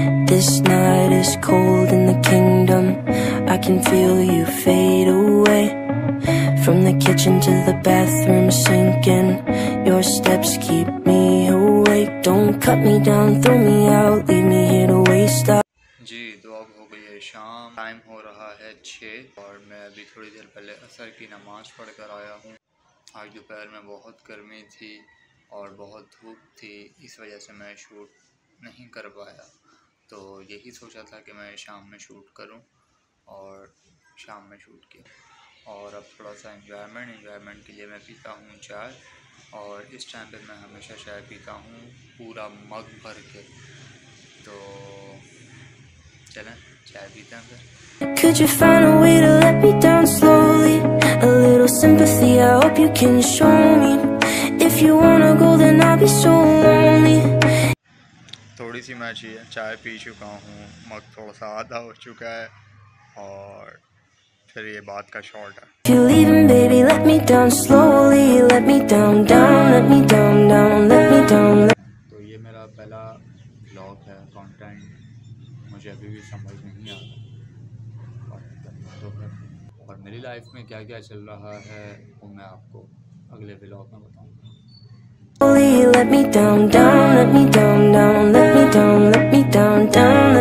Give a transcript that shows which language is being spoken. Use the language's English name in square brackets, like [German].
[English] This night is cold in the kingdom. I can feel you fade away. From the kitchen to the bathroom sinking. Your steps keep me awake. Don't cut me down, throw me out, leave me here to waste. [Hindi] जी, तो अब हो गई है शाम, time हो रहा है 6 और मैं अभी थोड़ी देर पहले असर की नमाज पढ़ कर आया हूँ। आज दोपहर में बहुत गर्मी थी और बहुत धूप थी, इस वजह से मैं शूट नहीं कर पाया। तो यही सोचा था कि मैं शाम में शूट करूं और शाम में शूट किया, और अब थोड़ा सा इन्जॉयमेंट के लिए मैं पीता हूं चाय। और इस टाइम पे मैं हमेशा चाय पीता हूं पूरा मग भर के। तो चलें चाय पीते हैं फिर। [English] Could you find a way to let me down slowly? A little sympathy, I hope you can show me. If you wanna go then I'll be so lonely. [Hindi] थोड़ी सी मैं चाय पी चुका हूँ, मग थोड़ा सा आधा हो चुका है और फिर ये बात का शॉर्ट है। [English] You leave me baby, let me down slowly, let me down down, let me down down, let me down. [Hindi] तो ये मेरा पहला व्लॉग है, कंटेंट मुझे अभी भी समझ नहीं आ रहा और मेरी लाइफ में क्या क्या चल रहा है वो मैं आपको अगले व्लॉग में बताऊंगा। [English] Let me down, down, let me down, down, let me down, down.